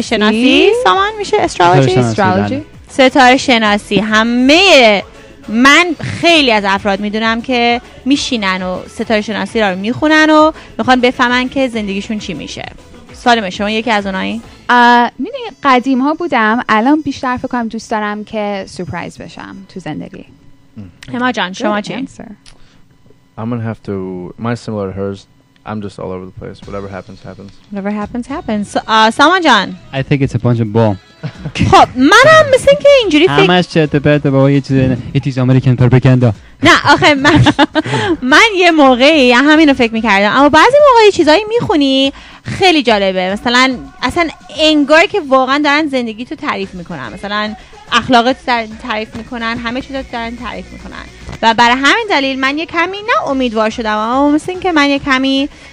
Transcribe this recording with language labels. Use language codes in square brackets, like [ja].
[fa] شناسی سامان میشه استرولوژی ستاره شناسی همه من خیلی از افراد میدونم که میشینن و ستاره شناسی رو میخونن و میخوان بفهمن که زندگیشون چی میشه سالمه شما یکی از اونایی؟ میدونی قدیم ها بودم الان بیشتر فکر کنم دوست دارم که سورپرایز بشم تو زندگی هما جان شما چی؟ [en] I'm gonna have to my similar to hers I'm just all over the place whatever happens happens [fa] سامان جان [en] I think it's a bunch of bull [fa] خب منم مثل این که اینجوری فکر همش چرت و پرت بابا یه چیزی [en] It is American propaganda [fa] نه آخه من یه موقعی همین رو فکر میکردم اما بعضی موقعی چیزایی میخونی خیلی جالبه مثلا اصلا انگار که واقعا دارن زندگی تو تعریف میکنن مثلا اخلاقت دارن تعریف میکنن همه چیزا دارن تعریف میکنن و برای همین دلیل من یه کمی نه امیدوار شدم اما مثل این که من یه کمی